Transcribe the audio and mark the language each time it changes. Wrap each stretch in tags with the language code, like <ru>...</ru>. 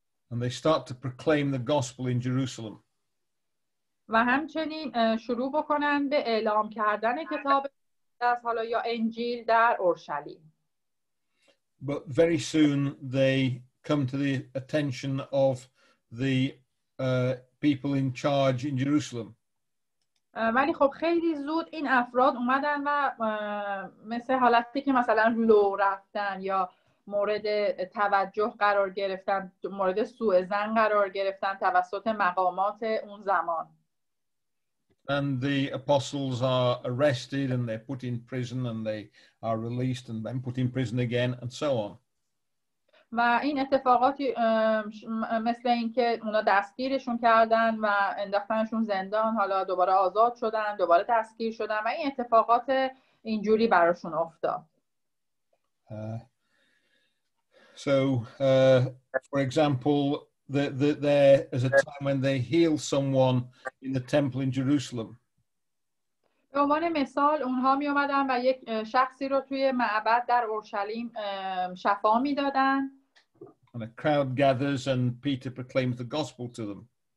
<en>And they start to proclaim the gospel in Jerusalem.</en> <fa>و همچنین شروع بکنن به اعلام کردن کتاب مقدس حالا یا انجیل در اورشلیم.</fa> <en>But very soon they come to the attention of the people in charge in Jerusalem.</en> <fa>ولی خب خیلی زود این افراد اومدن و مثل حالتی که مثلا لو رفتن یا مورد توجه قرار گرفتن، مورد سوء زن قرار گرفتن توسط مقامات اون زمان.</fa> <en>And the apostles are arrested and they're put in prison and they are released and then put in prison again and so on.</en> <fa>و این اتفاقاتی مثل این که اونا دستگیرشون کردن و انداختنشون زندان، حالا دوباره آزاد شدن، دوباره دستگیر شدن و این اتفاقات اینجوری براشون افتاد.</fa> <en>For example, there is a time when they heal someone in the temple in Jerusalem.</en> <fa>به عنوان مثال اونها می اومدن و یک شخصی رو توی معبد در اورشلیم شفا میدادن.</fa> <en>And a crowd gathers and Peter proclaims the gospel to them.</en>